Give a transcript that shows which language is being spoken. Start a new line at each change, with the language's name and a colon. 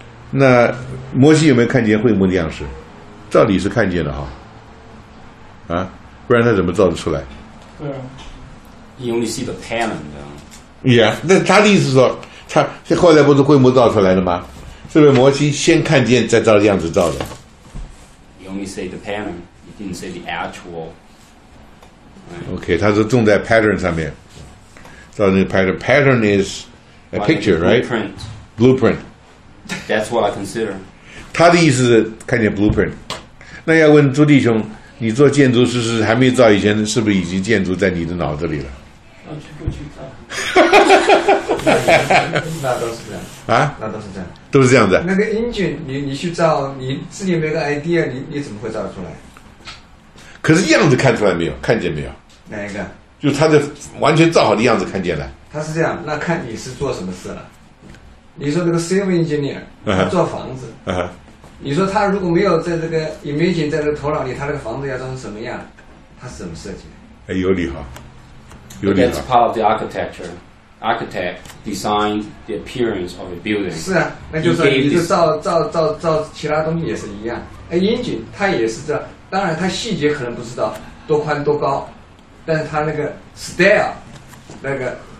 Chinese: 那摩西有没有看见会幕的样式？照理是看见了哈，啊，不然他怎么照得出来？对啊，因为是一个 talent， 你知道吗？ Yeah， 那他的意思说，他后来不是会幕照出来的吗？是不是摩西先看见再照样子照的？
English: Only say the pattern, you didn't say the actual.、 Right? OK，
Chinese: 它是种在 pattern 上面，照那个 pattern。
English: Pattern is a picture, right? Blueprint. Blueprint. That's what I consider.
Chinese: 他的意思是看见 blueprint。那要问朱弟兄，你做建筑师是还没造以前，是不是已经建筑在你的脑子里了？过去造。那都是这样。啊，那都是这样。都是这样子。那个 engine， 你去造，你自己没个 idea， 你怎么会造出来？可是样子看出来没有？看见没有？哪一个？就他的完全造好的样子看见了。他是这样，那看你是做什么事了。你说这个 civil engineer 做房子， 你说他如果没有在这个 imagine 在这个头脑里，他这个房子要装成什么样？他是怎么设计的？哎，有理哈，有理哈。
English: That's part of the architecture. Architect designed the appearance of a building.
Chinese: 是啊，那就是你就造其他东西也是一样。哎 ，engine 它也是这，当然它细节可能不知道多宽多高，但是它那个 style 那个